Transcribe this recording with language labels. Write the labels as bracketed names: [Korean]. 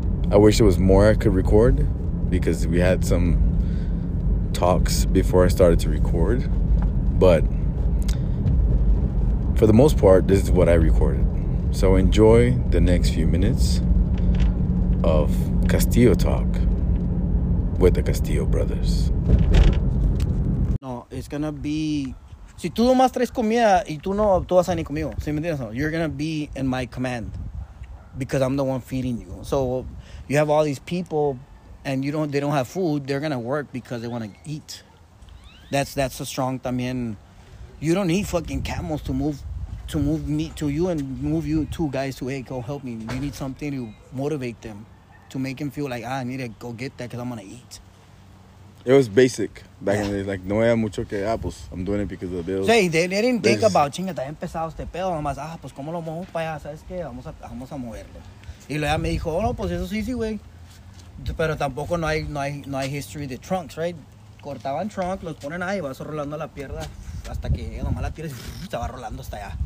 [English] I wish there was more I could record, because we had some talks before I started to record, but for the most part, this is what I recorded. So enjoy the next few minutes of Castillo Talk with the Castillo brothers. No, it's gonna be. [Spanish] Si tú nomás traes comida y tú no, tú vas a venir conmigo. ¿Sí me entiendes? [English] You're gonna be in my command because I'm the one feeding you. So you have all these people and they don't have food. They're gonna work because they wanna eat. That's a strong también. You don't need fucking camels to move me to you and move you two guys to, hey, go help me. You need something to motivate them. To make him feel like, I need to go get that because I'm going to eat. It was basic back in the day. Like, [Spanish] no era mucho que, pues, [English] I'm doing it because of the bills. [Spanish] Sí, [English] they didn't think about, [Spanish] chingata, he empezado este pedo. Nomás, pues, ¿cómo lo muevo para allá? ¿Sabes qué? Vamos a moverlo. Y luego me dijo, no, pues, eso es easy, güey. Pero tampoco no hay history de trunks, right? Cortaban trunk, los ponen ahí, vas rolando la pierda hasta que nomás la tiras y se va rolando hasta allá.